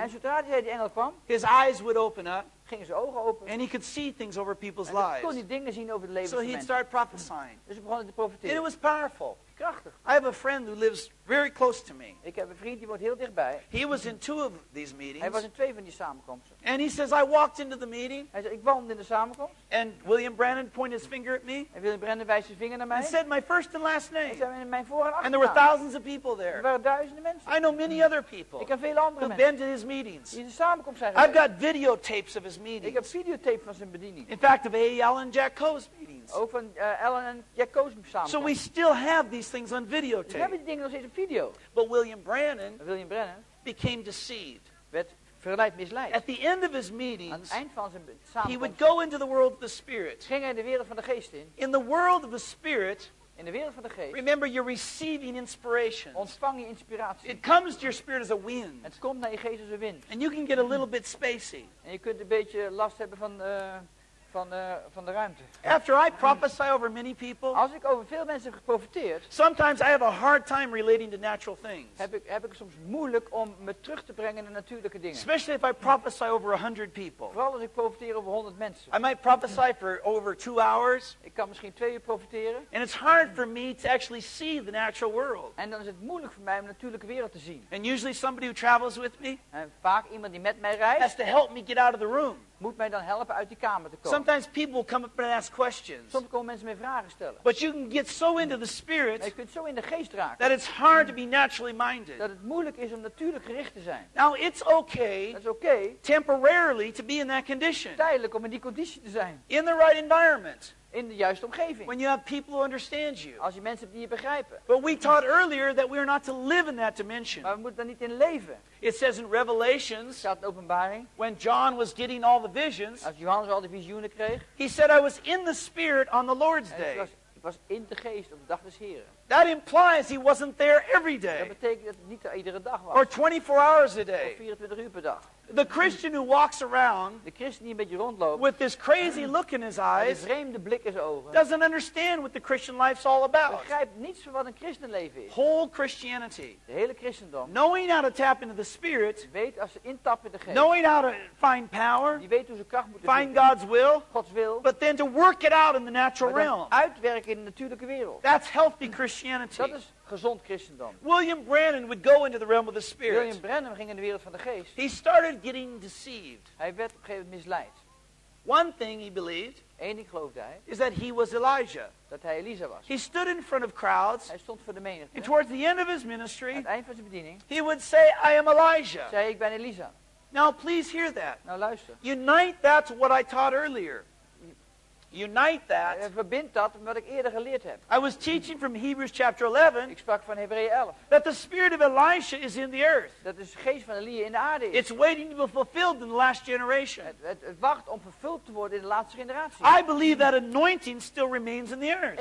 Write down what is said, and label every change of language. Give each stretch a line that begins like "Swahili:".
Dutch: en zodra hij zei, die engel kwam,
English: his eyes would open up.
Dutch: Gingen zijn ogen open.
English: And he could see things over people's
Dutch: en
English: lives.
Dutch: Kon hij dingen zien over de levens
English: so
Dutch: van
English: he'd
Dutch: mensen.
English: Start prophesying.
Dutch: Dus hij begon te profeteren.
English: And it was powerful.
Dutch: Krachtig.
English: I have a friend who lives very close to me.
Dutch: Ik heb een vriend die woont heel dichtbij.
English: He was in two of these meetings.
Dutch: Hij was in twee van die samenkomsten.
English: And he says, "I walked into the meeting."
Dutch: Hij zei, ik wandelde in de samenkomst.
English: And William Brannan pointed his finger at me.
Dutch: En William Brannan wijst zijn vinger naar mij.
English: And said my first and last name.
Dutch: Hij zei mijn voor- en achternaam.
English: And there were thousands of people there.
Dutch: Er waren duizenden mensen.
English: I know many other people.
Dutch: Ik ken veel andere
English: who've
Dutch: mensen.
English: Been to his meetings.
Dutch: Die in de samenkomst zijn.
English: I've
Dutch: geweest.
English: Got videotapes of his meetings.
Dutch: Ik heb videotape van zijn bediening.
English: In fact, of A.E. Allen and Jack Coe's meetings.
Dutch: Ook van Allen en Jack Coe's samenkomst.
English: So we still have these things on videotape.
Dutch: We hebben die dingen nog steeds op video.
English: But William Brannan.
Dutch: William Brannan.
English: Became deceived.
Dutch: Werd verleid, misleid.
English: At the end of his meetings,
Dutch: aan het eind van zijn samenkomst,
English: he would go into the world of the spirit.
Dutch: Ging hij de wereld van de geest in.
English: In the world of the spirit,
Dutch: in de wereld van de geest,
English: remember you're receiving inspiration.
Dutch: Ontvang je inspiratie.
English: It comes to your spirit as a wind.
Dutch: Het komt naar je geest als een wind.
English: And you can get a little bit spacey.
Dutch: En je kunt een beetje last hebben van de ruimte.
English: After I prophesy over many people,
Dutch: als ik over veel mensen geprofiteerd,
English: sometimes I have a hard time relating to natural things.
Dutch: Heb ik soms moeilijk om me terug te brengen naar natuurlijke dingen.
English: Especially if I prophesy over 100 people.
Dutch: Vooral als ik profeteer over 100 mensen.
English: I might prophesy for over 2 hours.
Dutch: Ik kan misschien 2 uur profeteren.
English: And it's hard for me to actually see the natural world.
Dutch: En dan is het moeilijk voor mij om de natuurlijke wereld te zien.
English: And usually somebody who travels with me,
Dutch: en vaak iemand die met mij reist,
English: has to help me get out of the room.
Dutch: Moet mij dan helpen uit die kamer te komen.
English: Sometimes people come up and ask questions.
Dutch: Soms komen mensen mij vragen stellen.
English: But you can get so into the spirit.
Dutch: Je kunt zo in de geest raken.
English: That it's hard to be naturally minded.
Dutch: Dat het moeilijk is om natuurlijk gericht te zijn.
English: Now it's okay.
Dutch: Dat is okay.
English: Temporarily to be in that condition.
Dutch: Tijdelijk om in die conditie te zijn.
English: In the right environment.
Dutch: In de juiste omgeving.
English: When you have people who understand you.
Dutch: Als je mensen hebt die je begrijpen.
English: But we taught earlier that we are not to live in that dimension.
Dutch: Maar we moeten daar niet in leven.
English: It says in Revelations.
Dutch: Staat in Openbaring.
English: When John was getting all the visions.
Dutch: Als Johannes al de visioenen kreeg.
English: He said, "I was in the spirit on the Lord's day."
Dutch: Ik was in de geest op de dag des Heren.
English: That implies he wasn't there every day.
Dutch: Dat betekent dat het niet iedere dag was.
English: Or 24 hours a day.
Dutch: Of 24 uur per dag.
English: The Christian who walks around,
Dutch: de christen die een beetje rondloopt,
English: with this crazy look in his eyes,
Dutch: met een vreemde blik in zijn ogen,
English: doesn't understand what the Christian life's all about.
Dutch: Begrijpt niets van wat een christenleven is.
English: Whole Christianity,
Dutch: de hele christendom,
English: knowing how to tap into the spirit,
Dutch: weet als ze intappen in de geest,
English: knowing how to find power,
Dutch: die weet hoe ze kracht moeten
English: find God's will,
Dutch: Gods wil,
English: but then to work it out in the natural realm,
Dutch: uitwerken in de natuurlijke wereld.
English: That's healthy Christianity.
Dutch: Dat is gezond christendom.
English: William Brannan would go into the realm of the spirit.
Dutch: William Brannan ging in de wereld van de geest.
English: He started getting deceived.
Dutch: Hij werd op een gegeven moment misleid.
English: One thing he believed,
Dutch: één ding geloofde hij,
English: is that he was Elijah.
Dutch: Dat hij Elisa was.
English: He stood in front of crowds.
Dutch: Hij stond voor de menigte.
English: And towards the end of his ministry,
Dutch: aan het eind van zijn bediening,
English: he would say, "I am Elijah."
Dutch: Zei, ik ben Elisa.
English: Now please hear that.
Dutch: Nou luister.
English: Unite that to what I taught earlier. Unite that.
Dutch: Verbind dat met wat ik eerder geleerd heb.
English: I was teaching from Hebrews chapter 11.
Dutch: Ik sprak van Hebreeën 11.
English: That the spirit of Elisha is in the earth.
Dutch: Dat is de geest van Elia in de aarde is.
English: It's waiting to be fulfilled in the last generation.
Dutch: Het wacht om vervuld te worden in de laatste generatie.
English: I believe that anointing still remains in the earth.